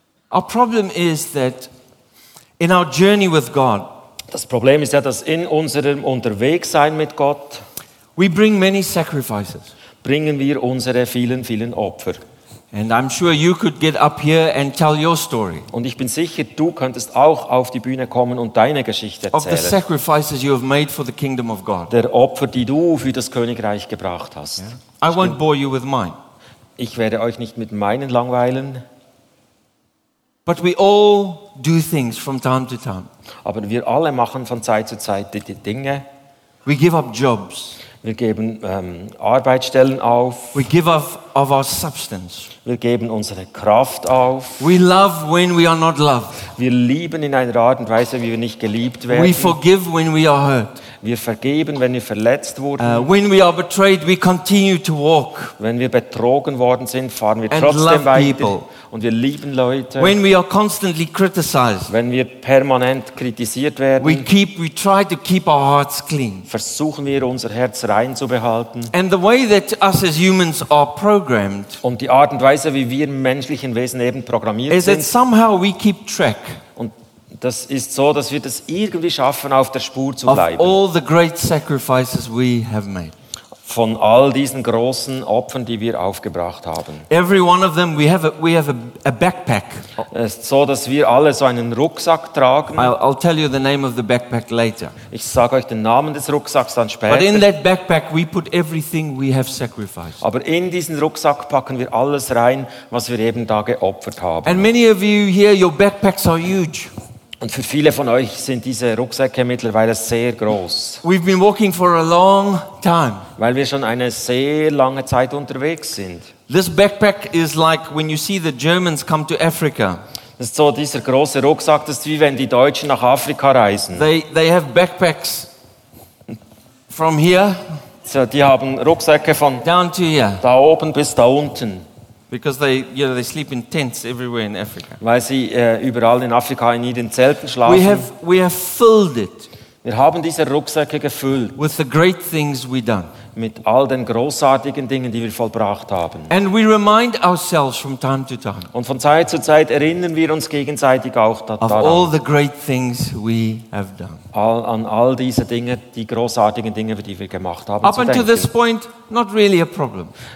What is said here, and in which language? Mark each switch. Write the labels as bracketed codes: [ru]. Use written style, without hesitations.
[en] Our problem is that in our journey with God. [de] Das Problem ist ja, dass in unserem Unterwegssein mit Gott, [en] we bring many sacrifices. [de] Bringen wir unsere vielen, vielen Opfer. [en] And I'm sure you could get up here and tell your story. [de] Und ich bin sicher, du könntest auch auf die Bühne kommen und deine Geschichte erzählen. [en] Of the sacrifices you have made for the kingdom of God. [de] Der Opfer, die du für das Königreich gebracht hast. [en] Yeah. I won't bore you with mine. [de] Ich werde euch nicht mit meinen langweilen. [en] But we all do things from time to time. [de] Aber wir alle machen von Zeit zu Zeit die Dinge. [en] We give up jobs. [de] Wir geben Arbeitsstellen auf. [en] We give up of our substance. [de] Wir geben unsere Kraft auf. [en] We love when we are not loved. [de] Wir lieben in einer Art und Weise, wie wir nicht geliebt werden. [en] We forgive when we are hurt. [de] Wir vergeben, wenn wir verletzt wurden. [en] When we are betrayed, we continue to walk. [de] Wenn wir betrogen worden sind, fahren wir trotzdem weiter. [en] People. [de] Und wir lieben Leute. [en] When we are constantly criticized, [de] wenn wir permanent kritisiert werden, [en] we try to keep our hearts clean. [de] Versuchen wir, unser Herz rein zu behalten. [en] And the way that us as humans are programmed, [de] und die Art und Weise, wie wir menschlichen Wesen eben programmiert [en] sind, is that somehow we keep track. [de] Und das ist so, dass wir das irgendwie schaffen, auf der Spur zu bleiben. [en] Of all the great sacrifices we have made. [de] Von all diesen großen Opfern, die wir aufgebracht haben. [en] Every one of them, we have a backpack. [de] Es ist so, dass wir alle so einen Rucksack tragen. [en] I'll tell you the name of the backpack later. [de] Ich sage euch den Namen des Rucksacks dann später. [en] But in that backpack we put everything we have sacrificed. [de] Aber in diesen Rucksack packen wir alles rein, was wir eben da geopfert haben. [en] And many of you here, your backpacks are huge. [de] Und für viele von euch sind diese Rucksäcke mittlerweile sehr groß. [en] We've been walking for a long time. [de] Weil wir schon eine sehr lange Zeit unterwegs sind. [en] This backpack is like when you see the Germans come to Africa. [de] Das ist so dieser große Rucksack, das ist wie wenn die Deutschen nach Afrika reisen. [en] They have backpacks from here. [de] So, die haben Rucksäcke von [en] down to here. [de] Da oben bis da unten. [en] Because they sleep in tents everywhere in Africa. [de] Weil sie überall in Afrika in ihren Zelten schlafen. [en] We have filled it. [de] Wir haben diese Rucksäcke gefüllt. [en] With the great things we done. [de] Mit all den großartigen Dingen, die wir vollbracht haben. [en] And we remind ourselves from time to time. [de] Und von Zeit zu Zeit erinnern wir uns gegenseitig auch daran. [en] Of all the great things we have done. [de] An all diese Dinge, die großartigen Dinge, die wir gemacht haben. [en] Up until this point, not really a problem.